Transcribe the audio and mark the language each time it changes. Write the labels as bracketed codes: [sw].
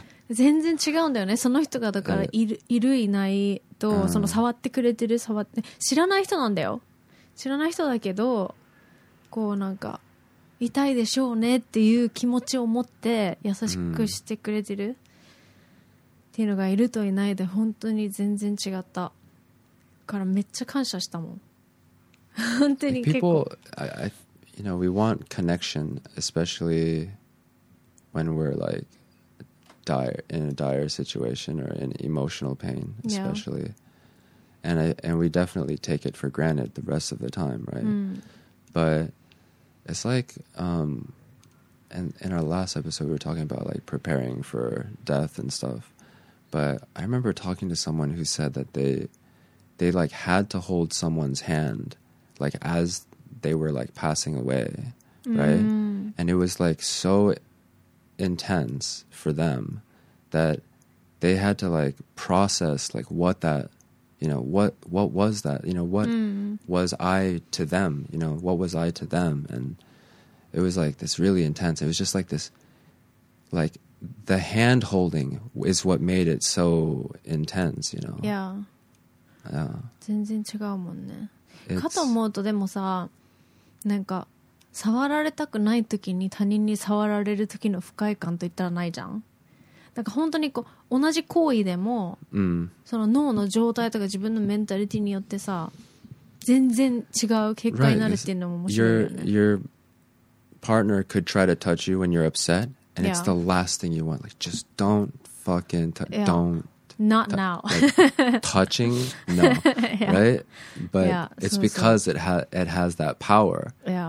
[ja] 全然違うんだよね、その人が。だからいるいないと、その触ってくれてる触って知らない人なんだよ、知らない人だけど、こうなんか痛いでしょうねっていう気持ちを持って優しくしてくれてる、うん、っていうのがいるといないで本当に全然違った。からめっちゃ感謝したもん。本当に結構。 [en] People, you know, we want connection, especially when we're like in a dire situation or in emotional pain, especially. Yeah. And we definitely take it for granted the rest of the time, right? But it's like, and in our last episode, we were talking about like preparing for death and stuff. But I remember talking to someone who said that they like had to hold someone's hand like as they were like passing away, right? And it was like so intense for them that they had to like process like what that, you know, what was that, you know, what was I to them, you know, what was I to them? And it was like this really intense. It was just like this, like,The hand holding is what made it so intense, you know. Yeah. Yeah. [ja] 全然違うもんね。かと思うとでもさ、なんか触られたくない時に他人に触られる時の不快感といったらないじゃん。なんか本当にこう同じ行為でも、その脳の状態とか自分のメンタリティによってさ、全然違う結果になるっていうのも面白いよね。 [en] Your partner could try to touch you when you're upset. And it's the last thing you want. Like, just don't fucking touch. Yeah. Not now. Like, touching? No. Yeah. Right? But yeah, it's because it has that power. Yeah.